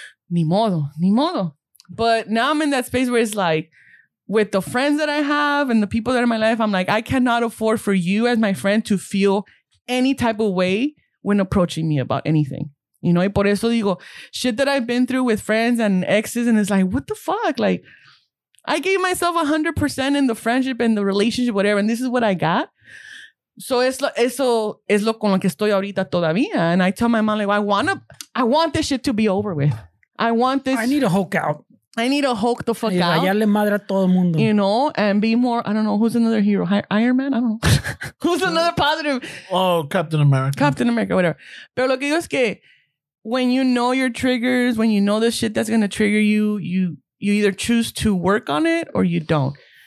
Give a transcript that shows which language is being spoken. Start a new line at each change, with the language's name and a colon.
Spanish: Ni modo.
English: But now I'm in that space where it's like, with the friends that I have and the people that are in my life, I'm like, I cannot afford for you as my friend to feel any type of way when approaching me about anything. You know,
Spanish: y por eso digo,
English: shit that I've been through with friends and exes, and it's like, what the fuck? Like, I gave myself 100% in the friendship and the relationship, whatever, and this is what I got.
Spanish: So eso es lo con lo que estoy ahorita todavía.
English: And I tell my mom, like, I want this shit to be over with. I want this. I need to hulk the fuck out.
Spanish: Rayarle madre a todo el mundo.
English: You know, and be more, I don't know, who's another hero? Iron Man? I don't know. Who's another positive? Oh, Captain America. Captain America, whatever.
Spanish: Pero lo que digo es que
English: when you know your triggers, when you know the shit that's going to trigger you, you either choose to work on it or you don't.